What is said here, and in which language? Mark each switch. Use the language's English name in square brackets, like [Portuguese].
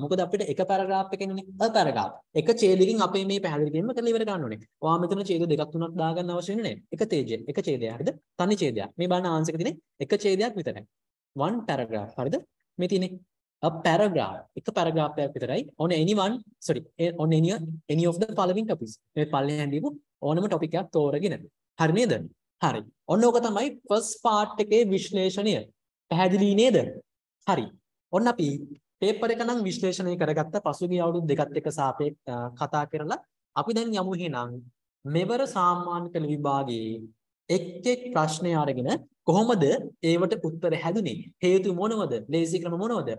[Sinhala] මොකද අපිට එක පැරග්‍රාෆ් එකකින්නේ අ පැරග්‍රාෆ්. එක ඡේදකින් අපේ මේ පැහැදිලි කිරීම කරලා ඉවර ගන්න ඕනේ. ඔයා මෙතන ඡේද දෙකක් තුනක් දාගන්න අවශ්‍ය වෙන්නේ නැහැ. එක තේජයෙන් එක ඡේදයක් හරිද? තනි ඡේදයක්. මේ බලන ආන්සර් එක තියෙන්නේ එක ඡේදයක් විතරයි. 1 පැරග්‍රාෆ් හරිද? මේ තියෙන්නේ a paragraph එක පැරග්‍රාෆ් එකක් විතරයි. [English] On anyone sorry on any of the following topics. [Sinhala] මේ පල්ලෙහැන් දීපු ඕනම ටොපික් එකක් තෝරගෙන. හරි නේද? හරි. ඔන්න ඕක තමයි first part එකේ විශ්ලේෂණය. පැහැදිලි නේද? හරි. ඔන්න අපි පේපර් එක නම් විශ්ලේෂණය කරගත්ත පසුගිය අවුරුදු දෙකත් එක්ක කතා කරලා අපි දැන් යමු එහෙනම් මෙවර සාමාන්‍ය කළ විභාගයේ එක් එක් ප්‍රශ්නය අරගෙන කොහොමද ඒවට උත්තර හැදුනේ? හේතු මොනවද? ලේසි ක්‍රම මොනවද?